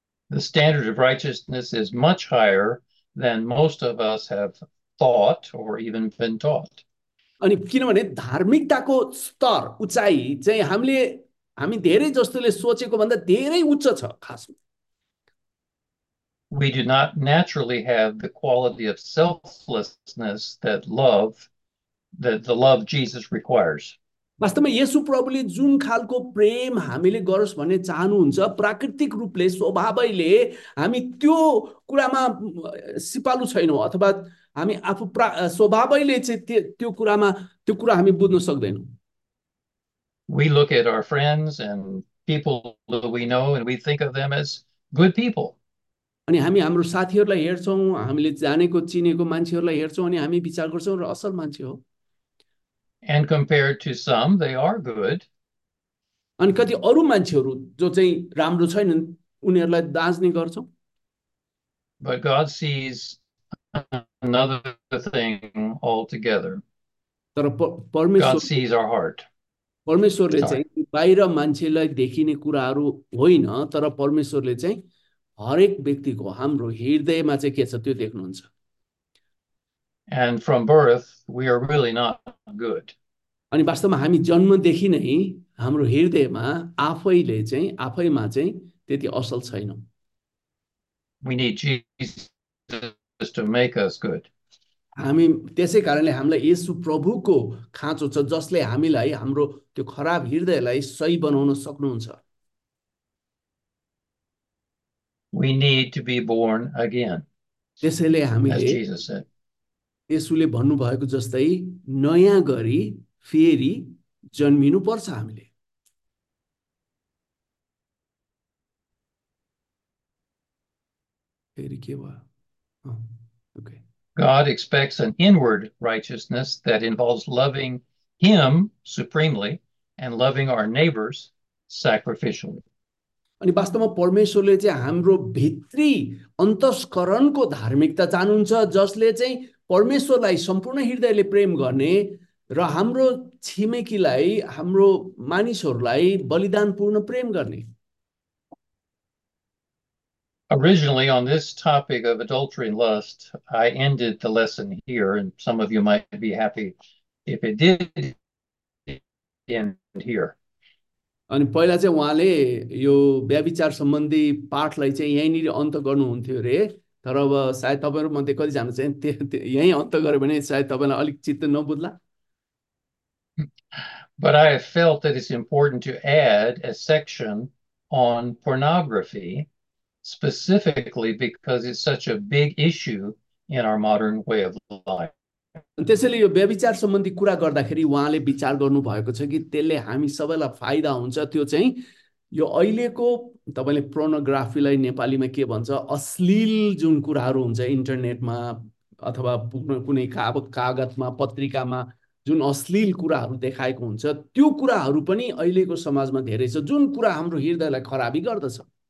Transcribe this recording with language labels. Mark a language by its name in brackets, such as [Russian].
[English] The standard of righteousness is much higher than most of us have thought or even been taught. [Nepali] अनि किनभने धार्मिकताको स्तर उचाइ चाहिँ हामी धेरै जस्तोले सोचेको भन्दा धेरै उच्च छ खासमा. [English] We do not naturally have the quality of selflessness that love, that the love Jesus requires. [Nepali] वास्तवमा येशु प्रभुले जुन खालको प्रेम हामीले गरोस् भन्ने चाहनुहुन्छ प्राकृतिक रूपले स्वभावैले हामी त्यो कुरामा सिपालु छैनौँ अथवा हामी आफू स्वभावैले चाहिँ त्यो कुरामा त्यो कुरा हामी बुझ्न सक्दैनौँ. [English] We look at our friends and people that we know and we think of them as good people. [Nepali] अनि हामी हाम्रो साथीहरूलाई हेर्छौँ, हामीले जानेको चिनेको मान्छेहरूलाई हेर्छौँ अनि हामी विचार गर्छौँ र असल मान्छे हो. [English] And compared to some, they are good. [Nepali] अनि कति अरू मान्छेहरू जो चाहिँ राम्रो छैनन् उनीहरूलाई दाज्ने गर्छौँ. [English] But God sees another thing altogether. [Nepali] तर [English] God sees our heart. [Nepali] परमेश्वरले [English] Sorry. [Nepali] चाहिँ बाहिर मान्छेलाई देखिने कुराहरू होइन, तर परमेश्वरले चाहिँ हरेक व्यक्तिको हाम्रो हृदयमा चाहिँ के छ त्यो देख्नुहुन्छ. [English] And from birth, we are really not good. [Nepali] अनि वास्तवमा हामी जन्मदेखि नै हाम्रो हृदयमा आफैले चाहिँ आफैमा चाहिँ त्यति असल छैनौँ. [English] We need Jesus to make us good. [Nepali] हामी त्यसै कारणले हामीलाई येशु प्रभुको खाँचो छ जसले हामीलाई हाम्रो त्यो खराब हृदयलाई सही बनाउन सक्नुहुन्छ. [English] We need to be born again, [Nepali] त्यसैले [English] as [Nepali] हामीले [English] Jesus said. [Nepali] येशुले भन्नुभएको जस्तै नयाँ गरी फेरि जन्मिनु पर्छ हामीले. फेरि के भयो? [English] God expects an inward righteousness that involves loving Him supremely and loving our neighbors sacrificially. [Nepali] अनि वास्तवमा परमेश्वरले चाहिँ हाम्रो भित्री अन्तस्करणको धार्मिकता चाहनुहुन्छ जसले चाहिँ परमेश्वरलाई सम्पूर्ण हृदयले प्रेम गर्ने र हाम्रो छिमेकीलाई हाम्रो मानिसहरूलाई बलिदानपूर्ण प्रेम गर्ने. [English] Originally, on this topic of adultery and lust, I ended the lesson here, and some of you might be happy if it did end here. [Nepali] अनि पहिला चाहिँ उहाँले यो व्यभिचार सम्बन्धी पाठलाई चाहिँ यहीँनिर अन्त गर्नुहुन्थ्यो अरे, तर अब सायद तपाईँहरूमध्ये कतिजना चाहिँ यहीँ अन्त गऱ्यो भने सायद तपाईँलाई अलिक चित्त नबुझ्ला. [English] But I have felt that it's important to add a section on pornography, specifically because it's such a big issue in our modern way of life. [Nepali] त्यसैले यो व्यभिचार सम्बन्धी कुरा गर्दाखेरि उहाँले विचार गर्नुभएको छ कि त्यसले हामी सबैलाई फाइदा हुन्छ. त्यो चाहिँ यो अहिलेको तपाईँले प्रोनोग्राफीलाई नेपालीमा के भन्छ, अश्लील जुन कुराहरू हुन्छ इन्टरनेटमा अथवा कुनै कागजमा पत्रिकामा जुन अश्लील कुराहरू देखाएको हुन्छ त्यो कुराहरू पनि अहिलेको समाजमा धेरै छ जुन कुरा हाम्रो हृदयलाई खराबी गर्दछ.